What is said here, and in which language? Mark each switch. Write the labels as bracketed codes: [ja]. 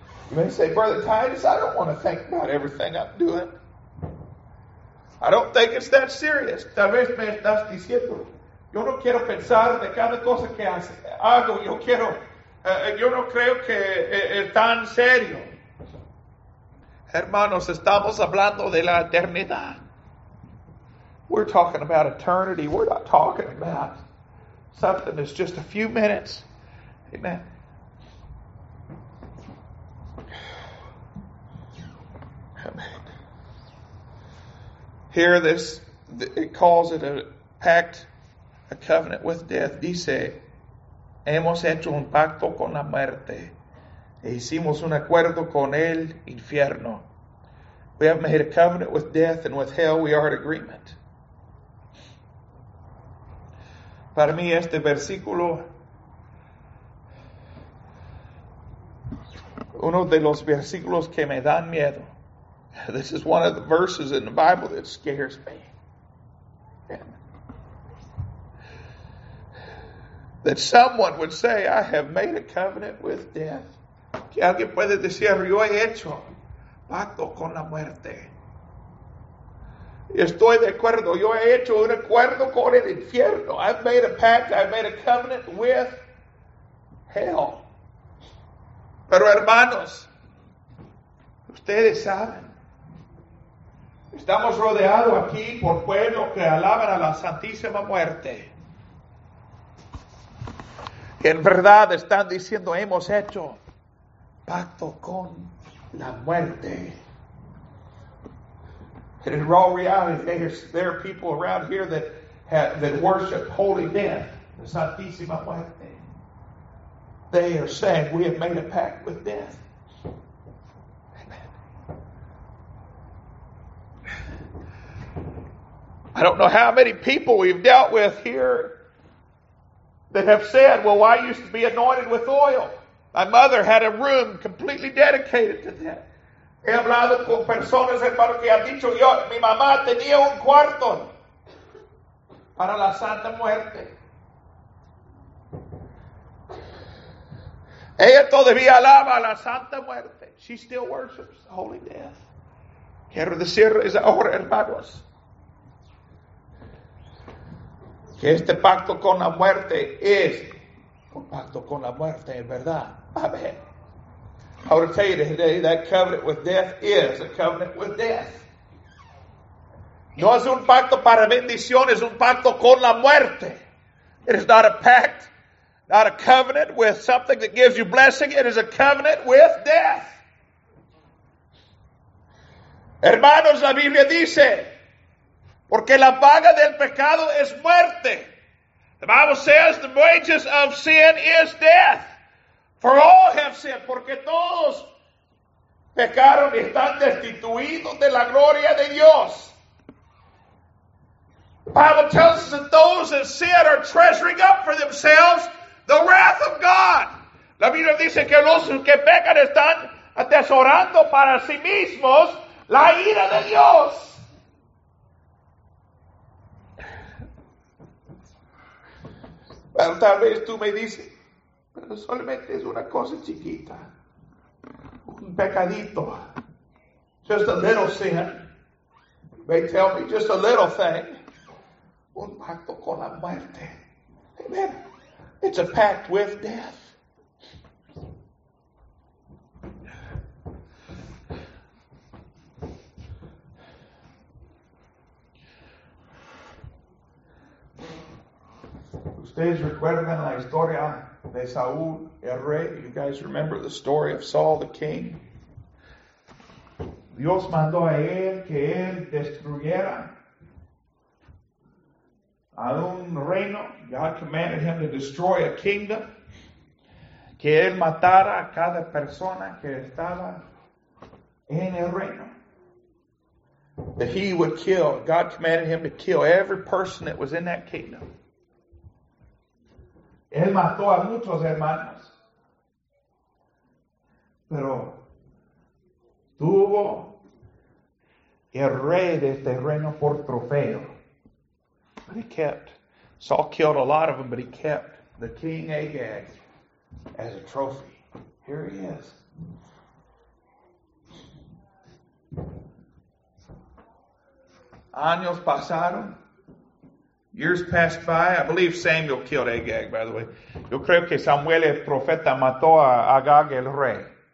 [en] You may say, Brother Titus, I don't want to think about everything I'm doing. I don't think it's that serious. [es] Tal vez me estás diciendo, yo no quiero pensar de cada cosa que hago. Yo no creo que es tan serio. Hermanos, estamos hablando de la eternidad. [en] We're talking about eternity. We're not talking about something that's just a few minutes. Amen. Here this, it calls it a pact, a covenant with death. [es] Dice, hemos hecho un pacto con la muerte. E hicimos un acuerdo con el infierno. [en] We have made a covenant with death and with hell. We are in agreement. [es] Para mí este versículo, uno de los versículos que me dan miedo. [en] This is one of the verses in the Bible that scares me. That someone would say, I have made a covenant with death. [es] Que alguien puede decir, yo he hecho pacto con la muerte. Estoy de acuerdo, yo he hecho un acuerdo con el infierno. [en] I've made a pact, I've made a covenant with hell. [es] Pero hermanos, ustedes saben, estamos rodeados aquí por pueblo que alaban a la Santísima Muerte. En verdad están diciendo, hemos hecho pacto con la muerte. [en] And in raw reality, there are people around here that worship holy death, the Santísima Muerte. They are saying, we have made a pact with death. I don't know how many people we've dealt with here that have said, well, I used to be anointed with oil. My mother had a room completely dedicated to that. [es] He hablado con personas, hermano, que han dicho yo, mi mamá tenía un cuarto para la Santa Muerte. Ella todavía alaba a la Santa Muerte. [en] She still worships the Holy Death. [es] Quiero decirles ahora, hermanos, que este pacto con la muerte es un pacto con la muerte, en verdad. Amén. [en] I would tell you today that covenant with death is a covenant with death. [es] No es un pacto para bendición, es un pacto con la muerte. [en] It is not a pact, not a covenant with something that gives you blessing. It is a covenant with death. [es] Hermanos, la Biblia dice, porque la paga del pecado es muerte. [en] The Bible says the wages of sin is death. For all have sinned, [es] porque todos pecaron y están destituidos de la gloria de Dios. [en] The Bible tells us that those that sin are treasuring up for themselves the wrath of God. [es] La Biblia dice que los que pecan están atesorando para sí mismos la ira de Dios. Bueno, tal vez tú me dices, pero solamente es una cosa chiquita, un pecadito, [en] just a little sin. They tell me, just a little thing, [es] un pacto con la muerte. [en] Amen. It's a pact with death. [es] Ustedes recuerdan la historia de Saúl, el rey. [en] You guys remember the story of Saul, the king. [es] Dios mandó a él que él destruyera a un reino. [en] God commanded him to destroy a kingdom. [es] Que él matara a cada persona que estaba en el reino. [en] That he would kill. God commanded him to kill every person that was in that kingdom. [es] Él mató a muchos hermanos, pero tuvo el rey de este reino por trofeo. [en] But he kept, Saul killed a lot of them, but he kept the king Agag as a trophy. Here he is. [es] Años pasaron. [en] Years passed by. I believe Samuel killed Agag, by the way. [es] Yo creo que Samuel, el profeta, mató a Agag, el rey.